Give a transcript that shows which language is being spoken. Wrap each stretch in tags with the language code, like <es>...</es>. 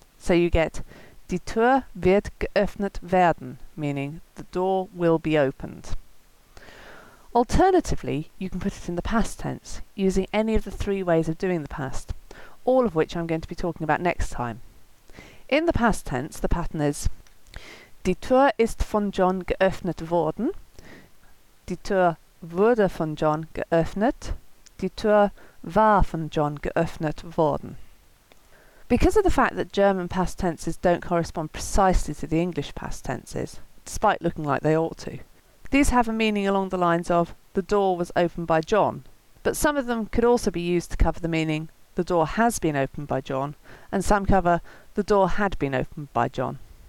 <en>So you get,</en> <de>"Die Tür wird geöffnet werden,"</de> <en>meaning, "The door will be opened." Alternatively, you can put it in the past tense, using any of the three ways of doing the past, all of which I'm going to be talking about next time. In the past tense, the pattern is,</en> <de>"Die Tür ist von John geöffnet worden," "Die Tür wurde von John geöffnet," "Die Tür war von John geöffnet worden."</de> <en>Because of the fact that German past tenses don't correspond precisely to the English past tenses, despite looking like they ought to, these have a meaning along the lines of, "The door was opened by John," but some of them could also be used to cover the meaning, "The door has been opened by John," and some cover, "The door had been opened by John."</en>